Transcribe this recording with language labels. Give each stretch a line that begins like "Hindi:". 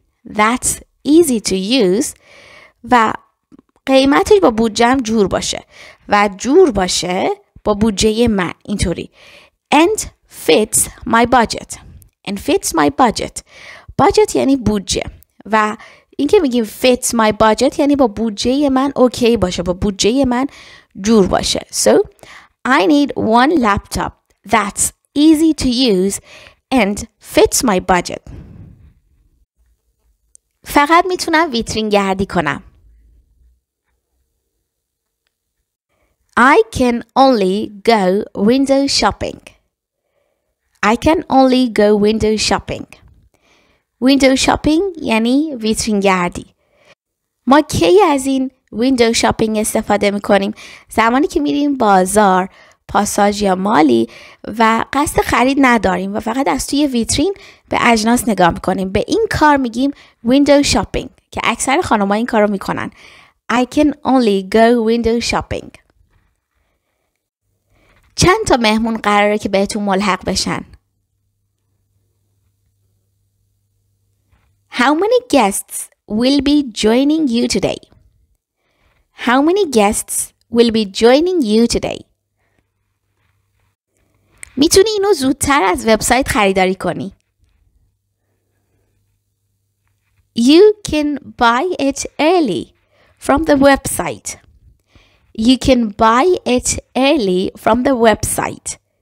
English: That's easy to use
Persian: و قیمتش با بودجه‌ام جور باشه و جور باشه با بودجه من اینطوری.
English: And fits my budget. And fits my budget.
Persian: Budget یعنی بودجه و این که میگیم
English: fits my budget
Persian: یعنی با بودجه من اوکی باشه، با بودجه من جور باشه.
English: So I need one laptop that's easy to use and fits my budget.
Persian: فقط میتونم ویترین گردی کنم.
English: I can only go window shopping. I can only go window shopping.
Persian: ویندو شاپینگ یعنی ویترین گردی. ما کی از این ویندو شاپینگ استفاده میکنیم؟ زمانی که میریم بازار، پاساژ یا مالی و قصد خرید نداریم و فقط از توی ویترین به اجناس نگاه میکنیم. به این کار میگیم ویندو شاپینگ که اکثر خانوما این کار رو میکنن.
English: I can only go window shopping.
Persian: چند تا مهمون قراره که بهتون ملحق بشن؟
English: How many guests will be joining you today? How many guests will be joining you today?
Persian: میتونی اینو زودتر از وبسایت خریداری کنی.
English: You can buy it early from the website. You can buy it early from the website.